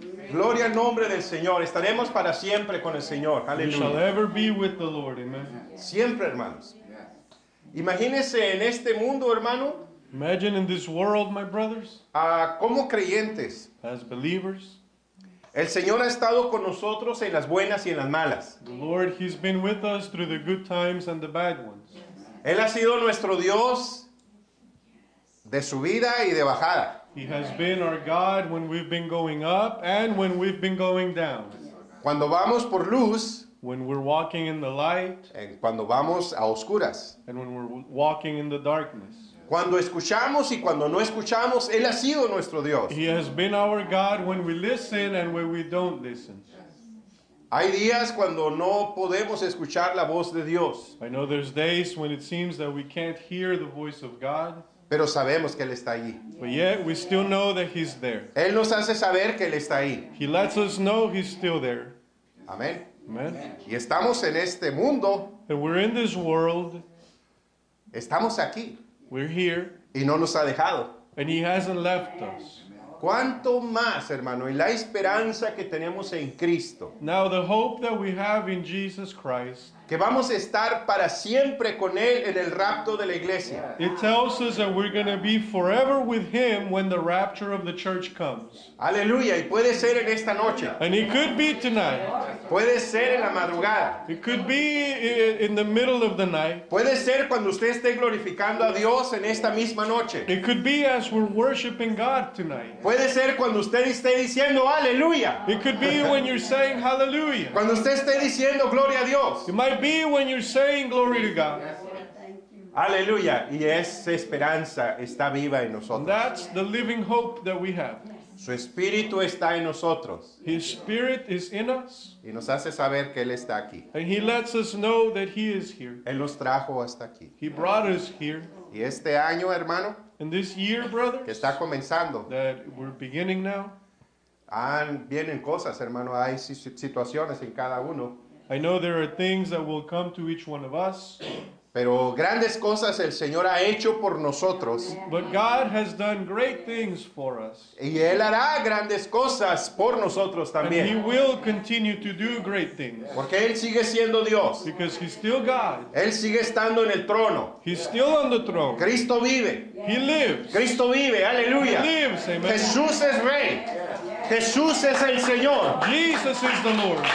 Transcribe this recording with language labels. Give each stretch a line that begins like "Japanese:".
Spanish: Gloria al nombre del Señor. Estaremos para siempre con el Señor. Aleluya.
English: We shall ever be with the Lord. Amen.
Spanish: Siempre, hermanos. Imagínense en este mundo, hermano.
English: Imagine in this world, my brothers.
Spanish: Como creyentes.
English: As believers.
Spanish: El Señor ha estado con nosotros en las buenas y en las malas.
English: The Lord, He's been with us through the good times and the bad ones.
Spanish: Él ha sido nuestro Dios de subida y de bajada.
English: He has been our God when we've been going up and when we've been going down.
Spanish: Cuando vamos por luz,
English: when we're walking in the light,
Spanish: y cuando vamos a oscuras,
English: and when we're walking in the darkness.
Spanish: Cuando escuchamos y cuando no escuchamos, Él ha sido nuestro Dios.
English: He has been our God when we listen and when we don't listen.
Spanish: Hay días cuando no podemos escuchar la voz de Dios.
English: I know there's days when it seems that we can't hear the voice of God.
Spanish: Pero sabemos que Él está ahí.
English: But yet we still know that He's there.
Spanish: Él nos hace saber que Él está ahí.
English: He lets us know He's still there.
Spanish: Amén.
English: Amen.
Spanish: Y estamos en este mundo.
English: And we're in this world.
Spanish: Estamos aquí.
English: We're here.
Spanish: Y no nos ha dejado.
English: And He hasn't left us.
Spanish: ¿Cuánto más, hermano, y la esperanza que tenemos en Cristo?
English: Now the hope that we have in Jesus Christ.
Spanish: Que vamos a estar para siempre con Él en el rapto de la iglesia.
English: It tells us that we're going to be forever with Him when the rapture of the church comes.
Spanish: Aleluya, y puede ser en esta noche.
English: And it could be tonight.
Spanish: Puede ser en la madrugada.
English: It could be in the middle of the night.
Spanish: Puede ser cuando usted esté glorificando a Dios en esta misma noche.
English: It could be as we're worshiping God tonight.
Spanish: Puede ser cuando usted esté diciendo aleluya.
English: It could be when you're saying hallelujah.
Spanish: Cuando usted esté diciendo gloria a Dios.
English: Might be when you're saying glory to God.
Spanish: Aleluya. Y esa esperanza está viva en nosotros.
English: That's the living hope that we have.
Spanish: Su espíritu está en nosotros.
English: His spirit is in us.
Spanish: Y nos hace saber que Él está aquí.
English: And He lets us know that He is here.
Spanish: Él nos trajo hasta aquí.
English: He brought us here.
Spanish: Y este año, hermano.
English: And this year, brothers.
Spanish: Que está comenzando.
English: That we're beginning now.
Spanish: Vienen cosas, hermano. Hay situaciones en cada uno.
English: I know there are things that will come to each one of us.
Spanish: Pero grandes cosas el Señor ha hecho por nosotros.
English: But God has done great things for us.
Spanish: Y Él hará grandes cosas por nosotros también.
English: And He will continue to do great things.
Spanish: Porque Él sigue siendo Dios.
English: Because He's still God.
Spanish: Él sigue estando en el trono.
English: He's still on the throne.
Spanish: Cristo vive.
English: He lives.
Spanish: Cristo vive. Aleluya.
English: He lives. Amen.
Spanish: Jesús es Rey. Jesús es el Señor.
English: Jesus is the Lord.